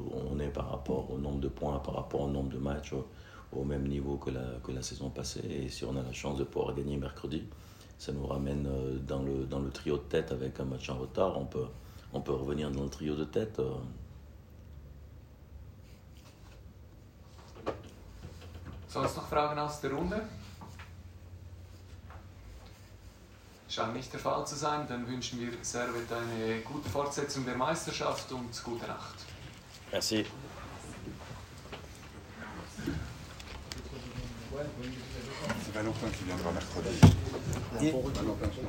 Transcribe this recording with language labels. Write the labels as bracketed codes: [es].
[fr] on est par rapport au nombre de points, par rapport au nombre de matchs, au même niveau que la saison passée. Et si on a la chance de pouvoir gagner mercredi, ça nous ramène dans le trio de tête avec un match en retard. On peut revenir dans le trio de tête. [de] Sonst noch Fragen aus der Runde? Scheint nicht der Fall zu sein, dann wünschen wir Servet eine gute Fortsetzung der Meisterschaft und gute Nacht. [fr] Merci. C'est Valentin qui viendra mercredi.